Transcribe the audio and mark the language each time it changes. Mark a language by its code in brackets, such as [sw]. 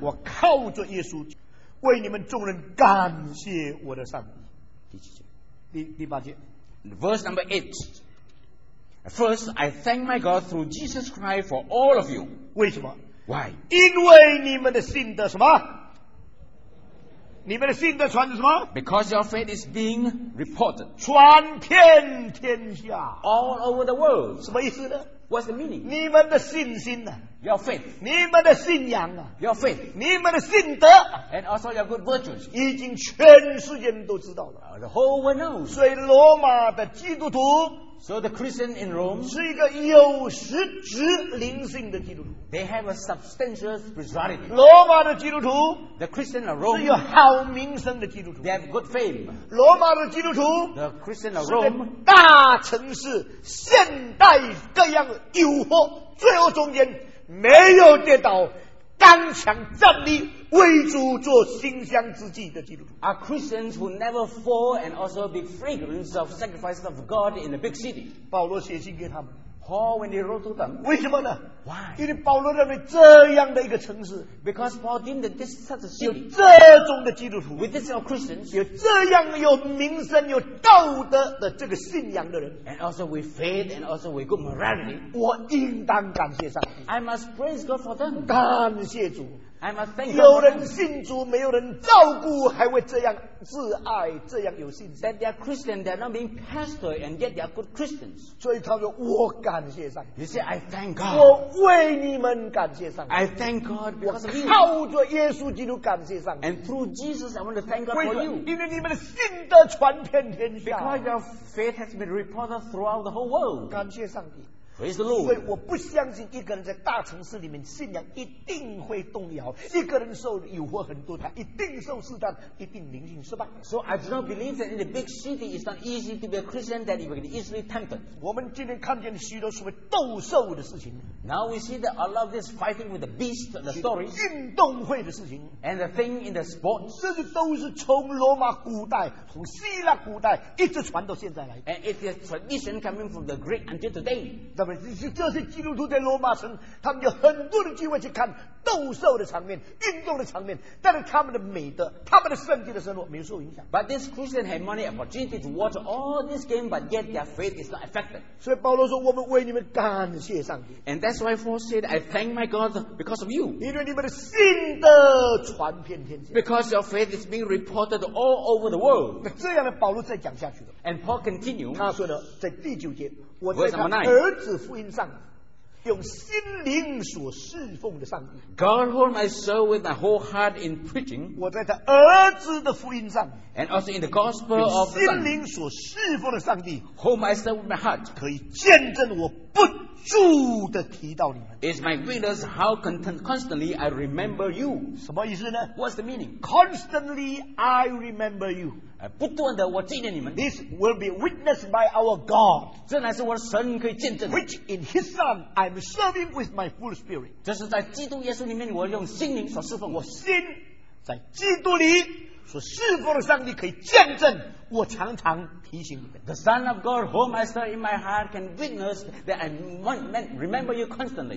[zh] 我靠着耶稣为你们众人感谢我的上帝。第八节 [en] verse number 8。 First, I thank my God through Jesus Christ for all of you. [zh] 为什么？ [en] Why? [zh] 因为你们的信的什么？你们的信的传的什么？ [en] Because your faith is being reported. [zh] 传遍天下。 [en] All over the world. [zh] 什么意思呢？ [en] What's the meaning? [zh] 你们的信心呢？ [en] Your faith. [zh] 你们的信仰啊？ [en] Your faith. [zh] 你们的信德。 [en] And also your good virtues. [zh] 已经全世界都知道了。 [en] The whole world knows. [zh] 所以罗马的基督徒 [en] So the Christian in Rome [zh] 是一个有实质灵性的基督徒。 [en] They have a substantial spirituality. [zh] 罗马的基督徒 [en] The Christian of Rome [zh] 是有好名声的基督徒。 [en] They have good fame. [zh] 罗马的基督徒 [en] The Christian of Rome [zh] 是个大城市现代各样诱惑罪恶中间没有跌倒刚强站立为主做馨香之祭的基督徒 [en] are Christians who never fall and also be fragrance of sacrifices of God in a big city. [zh] 保罗写信给他们 [en] Paul when he wrote to them. [zh] 为什么呢 [en] Why? [zh] 因为保罗认为这样的一个城市 [en] Because Paul deemed that this such a city [zh] 有这种的基督徒 [en] With this of Christians [zh] 有这样有名声有道德的这个信仰的人 [en] And also with faith and also with good morality. [zh] 我应当感谢上帝 [en] I must praise God for them. [zh] 感谢主 [en] I must thank God. [zh] 有人信主，没有人照顾，还会这样自爱，这样有信心。 [en] That they are Christian, they are not being pastored, and yet they are good Christians. [zh] 所以他说：“我感谢上帝。” [en] You say, "I thank God." [zh] 我为你们感谢上帝。 [en] I thank God because of you. [zh] 我靠着耶稣基督感谢上帝。 [en] And through Jesus, I want to thank God for you. [zh] 因为你们的信德传遍天下。 [en] Because your faith has been reported throughout the whole world. [zh] 感谢上帝。 [en] Praise the Lord. [zh] 所以我不相信一个人在大城市里面信仰一定会动摇，一个人受诱惑很多，他一定受试探，一定灵性失败。 [en] So I do not believe that in the big city it's not easy to be a Christian that you can easily tempted. [zh] 我们今天看见许多所谓斗兽的事情。 [en] Now we see that a lot of this fighting with the beast, the story. [zh] 运动会的事情。 [en] And the thing in the sports. [zh] 这些都是从罗马古代，从希腊古代一直传到现在来。 [en] And it is tradition coming from the Greek until today. [zh] 这些基督徒在罗马城他们有很多的机会去看斗兽的场面运动的场面但是他们的美德他们的圣洁的生活没有受影响 [en] But this Christian had many opportunities to watch all this game but yet their faith is not affected [zh] 所以保罗说我们为你们感谢上帝 [en] And that's why Paul said I thank my God because of you [zh] 因为你们的信德传遍天下 [en] Because your faith is being reported all over the world [zh] 那这样的保罗再讲下去了 [en] And Paul continued [zh] 他说呢在第九节我在他儿子福音上用心灵所侍奉的上帝 [en] God hold my soul with my whole heart in preaching [zh] 我在他儿子的福音上 [en] and also in the gospel of the [zh] Son 用心灵所侍奉的上帝 [en] hold my soul with my heart [zh] 可以见证我不住地提到你们 [en] It's my witness how constantly I remember you [zh] 什么意思呢 [en] What's the meaning? Constantly I remember you [zh] 不断的我纪念你们 [en] This will be witnessed by our God [zh] 这乃是我的神可以见证 [en] Which in his son I'm serving with my full spirit [zh] 这是在基督耶稣里面我用心灵所侍奉我心在基督里所侍奉的上帝可以见证我常常提醒你们 [en] The son of God whom I serve in my heart can witness that I remember you constantly